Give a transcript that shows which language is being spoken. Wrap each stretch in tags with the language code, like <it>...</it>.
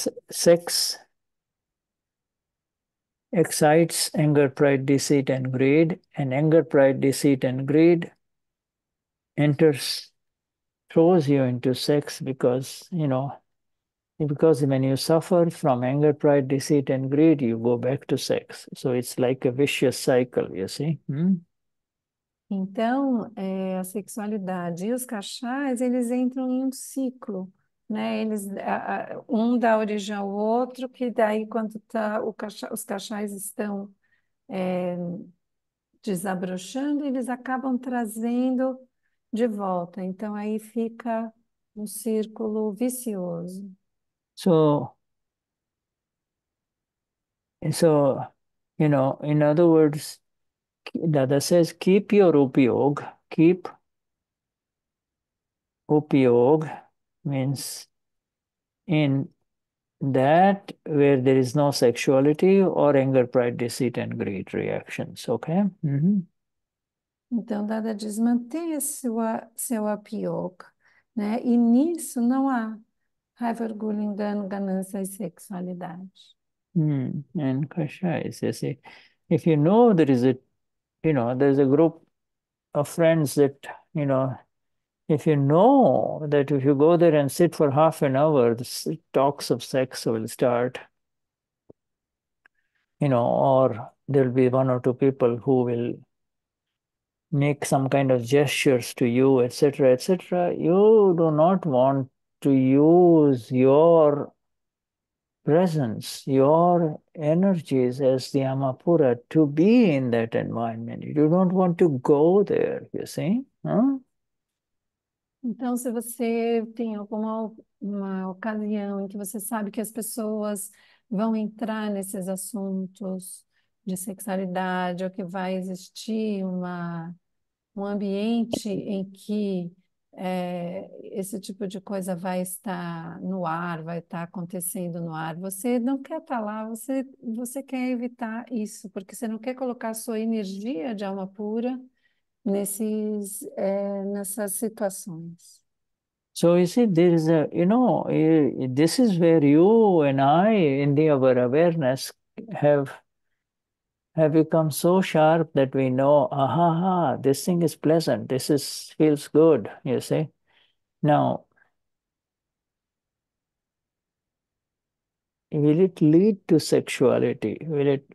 <en>Sex excites anger, pride, deceit, and greed, and anger, pride, deceit, and greed enters, throws you into sex because when you suffer from anger, pride, deceit, and greed, you go back to sex. So it's like a vicious cycle, you see?</en> <pt>Então, a sexualidade e os cachais, eles entram em um ciclo, né? Eles, um dá origem ao outro, que daí quando tá os cachais estão desabrochando, eles acabam trazendo de volta. Então, aí fica um círculo vicioso.</pt> <en>So, you know, in other words, Dada says, keep your upyog. Keep upyog means in that where there is no sexuality or anger, pride, deceit, and greed reactions. Okay?</en> <pt>Então, Dada diz, mantenha seu apioca, né? E nisso não há raiva, orgulho, engano, ganância e sexualidade.</pt> <en>And kashais, you see, if you know there is a, you know, there's a group of friends that, you know, if you know that if you go there and sit for half an hour, the talks of sex will start, you know, or there'll be one or two people who will make some kind of gestures to you, etc., etc., you do not want to use your presence, your energies as the Amapura to be in that environment. You don't want to go there, you see?</en> <pt>Então, se você tem alguma uma ocasião em que você sabe que as pessoas vão entrar nesses assuntos de sexualidade, ou que vai existir um ambiente em que esse tipo de coisa vai estar no ar, vai estar acontecendo no ar, você não quer estar lá, você quer evitar isso, porque você não quer colocar a sua energia de alma pura nessas situações.</pt> <en>So you see, there is a, you know, this is where you and I, in the our awareness, have become so sharp that we know, aha, this thing is pleasant. This is feels good. You see, now, will it lead to sexuality? Will it?</en>